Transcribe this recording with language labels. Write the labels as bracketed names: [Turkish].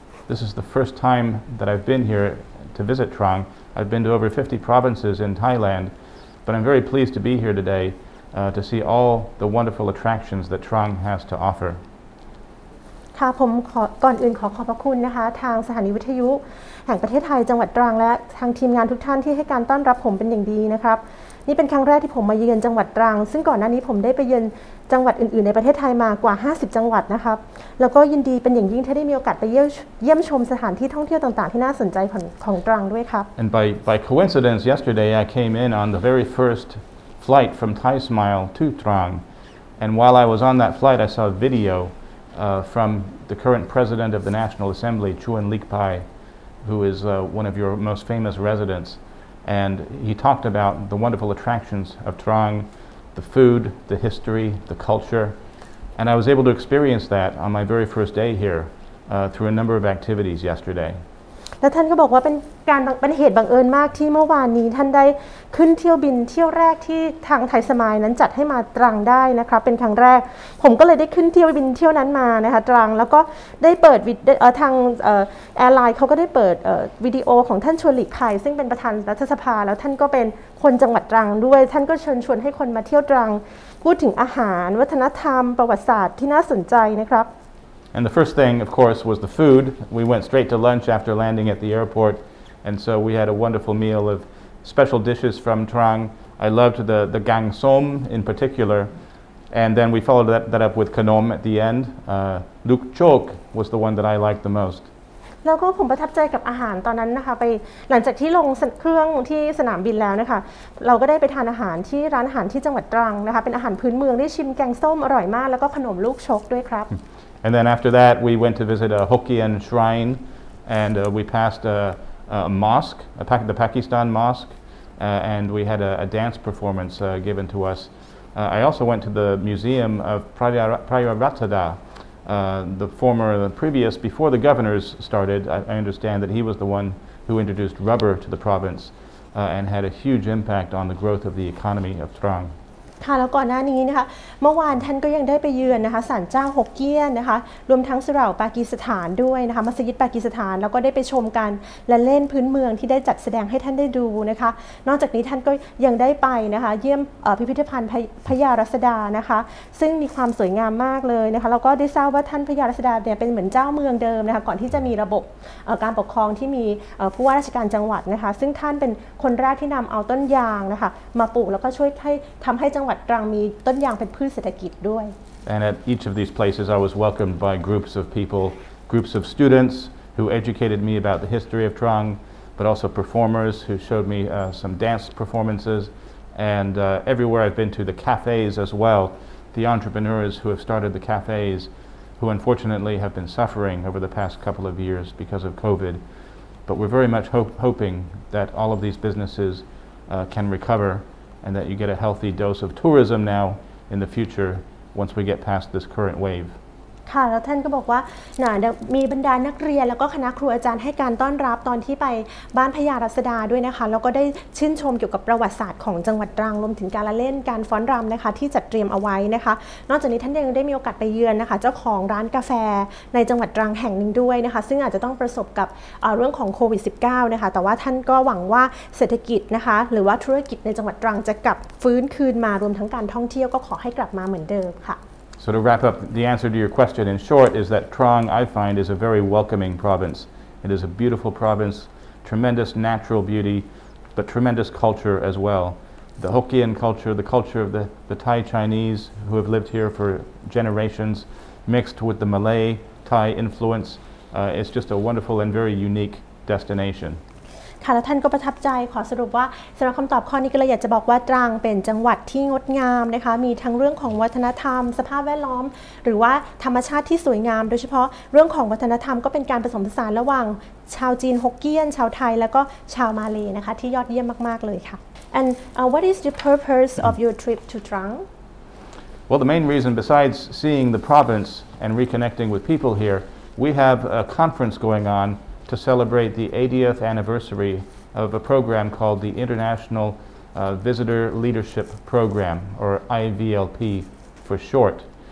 [English] This is the first time that I've been here to visit Trang. I've been to over 50 provinces in Thailand, but I'm very pleased to be here today to see all the wonderful attractions that Trang has to offer. [Thai] ค่ะผมก่อนอื่นขอขอบพระคุณนะคะทางสถานีวิทยุแห่งประเทศไทยจังหวัดตรังและทางทีมงานทุกท่านที่ให้การต้อนรับผมเป็นอย่างดีนะครับนี่เป็นครั้งแรกที่ผมมาเยือนจังหวัดตรังซึ่งก่อนหน้านี้ผมได้ไปเยือนจังหวัดอื่นๆในประเทศไทยมากว่า50จังหวัดนะครับแล้วก็ยินดีเป็นอย่างยิ่งที่ได้มีโอกาสไปเยี่ยมชมสถานที่ท่องเที่ยวต่างๆที่น่าสนใจของตรังด้วยครับ [English] And by coincidence yesterday I came in on the very first flight from Thai Smile to Trang and while I was on that flight I saw a videofrom the current president of the National Assembly, Chuan Leakpai, who is one of your most famous residents. And he talked about the wonderful attractions of Trang, the food, the history, the culture. And I was able to experience that on my very first day here through a number of activities yesterday. [Thai] และท่านก็บอกว่าเป็นเหตุบังเอิญมากที่เมื่อวานนี้ท่านได้ขึ้นเที่ยวบินเที่ยวแรกที่ทางไทยสมายนั้นจัดให้มาตรังได้นะครับเป็นครั้งแรกผมก็เลยได้ขึ้นเที่ยวบินเที่ยวนั้นมานะคะตรังแล้วก็ได้เปิดทางแอร์ไลน์เขาก็ได้เปิดวิดีโอของท่านชวนหลีกภัยซึ่งเป็นประธานรัฐสภาแล้วท่านก็เป็นคนจังหวัดตรังด้วยท่านก็เชิญชวนให้คนมาเที่ยวตรังพูดถึงอาหารวัฒนธรรมประวัติศาสตร์ที่น่าสนใจนะครับ [English] And the first thing, of course, was the food. We went straight to lunch after landing at the airport. And so we had a wonderful meal of special dishes from Trang. I loved the gang som in particular. And then we followed that up with khanom at the end. Luk chok was the one that I liked the most. [Thai] แล้วก็ผมประทับใจกับอาหารตอนนั้นนะคะไปหลังจากที่ลงเครื่องที่สนามบินแล้วนะคะเราก็ได้ไปทานอาหารที่ร้านอาหารที่จังหวัดตรังนะคะเป็นอาหารพื้นเมืองได้ชิมแกงส้มอร่อยมากแล้วก็ขนมลูกชกด้วยครับ [English] And then after that we went to visit a Hokkien shrine and we passed a mosque the Pakistan mosque and we had a dance performance given to us I also went to the museum of Prayarattada the former, the previous, before the governors started, I understand that he was the one who introduced rubber to the province and had a huge impact on the growth of the economy of Trang. [Thai] ค่ะแล้วก่อนหน้านี้นะคะเมื่อวานท่านก็ยังได้ไปเยือนนะคะศาลเจ้าฮกเกี้ยนนะคะรวมทั้งสุเหร่าปากีสถานด้วยนะคะมัสยิดปากีสถานแล้วก็ได้ไปชมกันและเล่นพื้นเมืองที่ได้จัดแสดงให้ท่านได้ดูนะคะนอกจากนี้ท่านก็ยังได้ไปนะคะเยี่ยมพิพิธภัณฑ์พญารัศดานะคะซึ่งมีความสวยงามมากเลยนะคะแล้วก็ได้ทราบว่าท่านพญารัศดาเนี่ยเป็นเหมือนเจ้าเมืองเดิมนะคะก่อนที่จะมีระบบ การปกครองที่มีผู้ว่าราชการจังหวัดนะคะซึ่งท่านเป็นคนแรกที่นำเอาต้นยางนะคะมาปลูกแล้วก็ช่วยให้ทำให้จังหวัดตรังมีต้นยางเป็นพืชเศรษฐกิจด้วย [English] And at each of these places I was welcomed by groups of people groups of students who educated me about the history of Trang but also performers who showed me some dance performances and everywhere I've been to the cafes as well the entrepreneurs who have started the cafes who unfortunately have been suffering over the past couple of years because of COVID but we're very much hoping that all of these businesses can recoverand that you get a healthy dose of tourism now in the future once we get past this current wave. [Thai] ค่ะแล้วท่านก็บอกว่ามีบรรดานักเรียนแล้วก็คณะครูอาจารย์ให้การต้อนรับตอนที่ไปบ้านพญารัษฎาด้วยนะคะแล้วก็ได้ชื่นชมเกี่ยวกับประวัติศาสตร์ของจังหวัดตรังรวมถึงการละเล่นการฟ้อนรำนะคะที่จัดเตรียมเอาไว้นะคะนอกจากนี้ท่านยังได้มีโอกาสไปเยือนนะคะเจ้าของร้านกาแฟในจังหวัดตรังแห่งหนึ่งด้วยนะคะซึ่งอาจจะต้องประสบกับเรื่องของโควิด -19 นะคะแต่ว่าท่านก็หวังว่าเศรษฐกิจนะคะหรือว่าธุรกิจในจังหวัดตรังจะกลับฟื้นคืนมารวมทั้งการท่องเที่ยวก็ขอให้กลับมาเหมือนเดิมค่ะ [English] So to wrap up, the answer to your question in short is that Trang, I find, is a very welcoming province. It is a beautiful province, tremendous natural beauty, but tremendous culture as well. The Hokkien culture, the culture of the Thai Chinese who have lived here for generations, mixed with the Malay Thai influence, is just a wonderful and very unique destination. [Thai] ค่ะแล้วท่านก็ประทับใจขอสรุปว่าสำหรับคำตอบข้อนี้ก็เลยอยากจะบอกว่าตรังเป็นจังหวัดที่งดงามนะคะมีทั้งเรื่องของวัฒนธรรมสภาพแวดล้อมหรือว่าธรรมชาติที่สวยงามโดยเฉพาะเรื่องของวัฒนธรรมก็เป็นการผสมผสานระหว่างชาวจีนฮกเกี้ยนชาวไทยแล้วก็ชาวมาเลย์นะคะที่ยอดเยี่ยมมากๆเลยค่ะ [English] and what is the purpose of your trip to Trang well the main reason besides seeing the province and reconnecting with people here we have a conference going onTo celebrate the 80th anniversary of a program called the International Visitor Leadership Program, or IVLP for short.